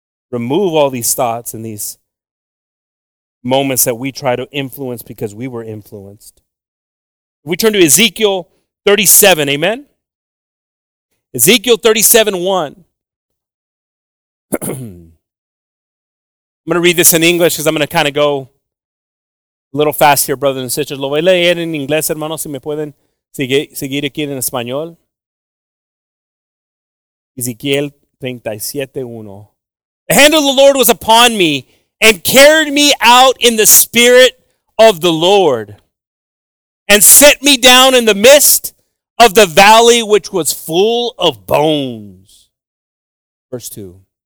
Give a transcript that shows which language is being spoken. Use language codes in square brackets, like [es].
[en] Remove all these thoughts and these moments that we try to influence because we were influenced. We turn to Ezekiel 37, amen? Ezekiel 37, 1. I'm going to read this in English because I'm going to kind of go a little fast here, brothers and sisters. [es] Lo voy a leer en inglés, hermanos, si me pueden seguir aquí en español. [en] Ezekiel 37:1. The hand of the Lord was upon me and carried me out in the spirit of the Lord and set me down in the midst of the valley which was full of bones. Verse 2.